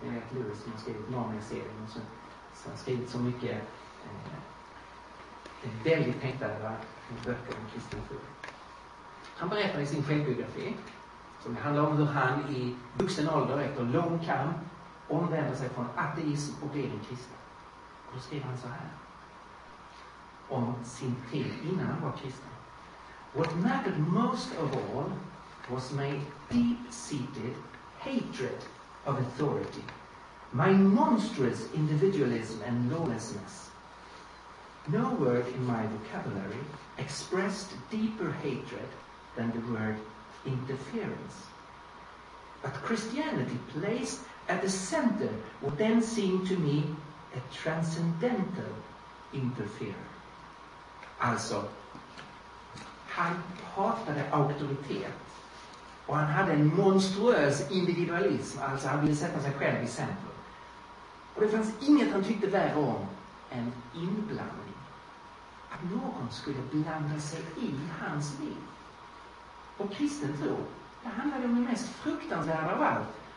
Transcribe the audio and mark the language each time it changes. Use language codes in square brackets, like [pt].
[sv] Ni vet Lewis som har skrivit Narnia-serien och så har skrivit så mycket väldigt tänktade böcker om kristen tro. Han berättar i sin självbiografi, som handlar om hur han i vuxen ålder efter lång kamp omvänder sig från ateism och blir en kristen. Och då skriver han så här om sin tid innan han var kristen. [en] What mattered most of all was my deep-seated hatred of authority, my monstrous individualism and lawlessness. No word in my vocabulary expressed deeper hatred than the word interference. But Christianity placed at the center what then seemed to me a transcendental interferer. [sv] Alltså, han hatade auktoritet och han hade en monstruös individualism, alltså han ville sätta sig själv i centrum. Och det fanns inget han tyckte värre om än inblandning. Att någon skulle blanda sig i hans liv. Och kristen tro, det handlade om det mest fruktansvärda av allt.